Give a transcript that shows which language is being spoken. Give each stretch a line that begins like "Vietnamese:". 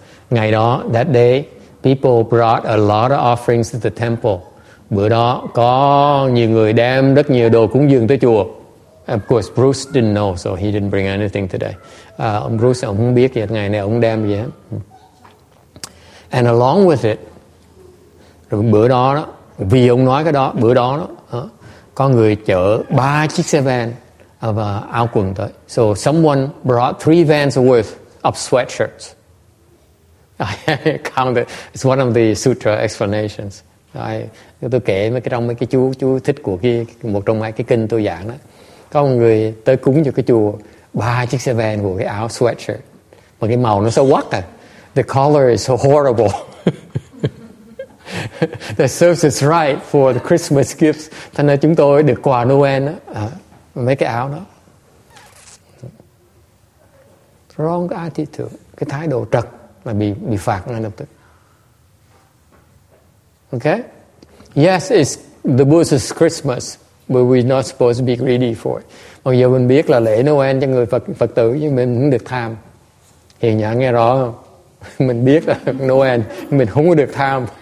Vietnamese: Ngày đó,
English: that day, people brought a lot of offerings to the temple.
Vietnamese: Bữa đó có nhiều người đem rất nhiều đồ cúng dường tới chùa.
English: Of course, Bruce didn't know, so he didn't bring anything today.
Vietnamese: Bruce, ông không biết gì, ngày này ông đem gì hết.
English: And along with it,
Vietnamese: bữa đó, vì ông nói cái đó, bữa đó, có người chở 3 chiếc xe van và áo quần tới.
English: So someone brought 3 vans worth of sweatshirts. I counted, it's one of the sutra explanations.
Vietnamese: Tôi kể trong mấy cái chú thích của một trong mấy cái kinh tôi giảng đó. Có một người tới cúng cho cái chùa 3 chiếc xe van của cái áo sweatshirt. Mà cái màu nó
English: so what? The color is so horrible. That serves us right for the Christmas gifts.
Vietnamese: Thế nên chúng tôi được quà Noel đó, mấy cái áo đó.
English: Wrong attitude.
Vietnamese: Cái thái độ trật là bị phạt ngay lập tức.
English: Okay? Yes, it's the Buddhist Christmas. But we're not supposed to be greedy for it.
Vietnamese: Mặc dù mình biết là lễ Noel cho người Phật tử, nhưng mình không được tham. Hiền nhã nghe rõ không? Mình biết là Noel, mình không được tham.